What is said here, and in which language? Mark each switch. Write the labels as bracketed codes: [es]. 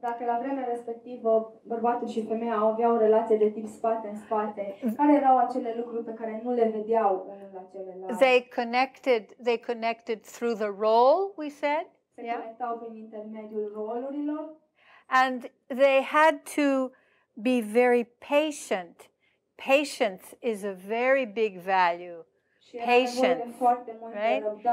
[ro] Dacă la vremea respectivă bărbatul și femeia aveau relație de tip spate în spate, care erau acele lucruri pe care nu le vedeau unul la celălalt? [en] They connected through the role, we said. [ro] Se conectau prin intermediul rolurilor. [en] And they had to be very patient. Patience is a very big value. Patience, right?